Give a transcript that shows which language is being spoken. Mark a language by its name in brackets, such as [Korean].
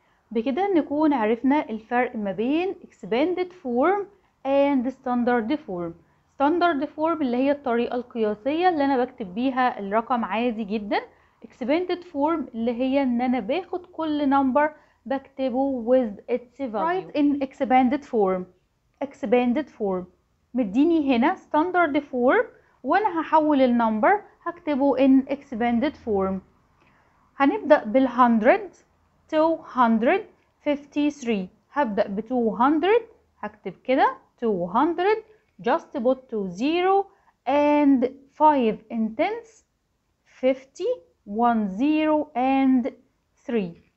[Arabic] بكده نكون عرفنا الفرق ما بين expanded form and standard form. standard form اللي هي الطريقة القياسية اللي انا بكتب بيها الرقم عادي جدا. expanded form اللي هي ان انا باخد كل number بكتبه [English] with its value. write in expanded form. [Arabic] expanded form مديني هنا standard form وانا هحول النمبر هكتبه in expanded form. هنبدأ بالhundred. 253. هبدأ ب 200 هكتب كده 200. [English] just put 2 0 and 5 in tens. 50 10 and 3.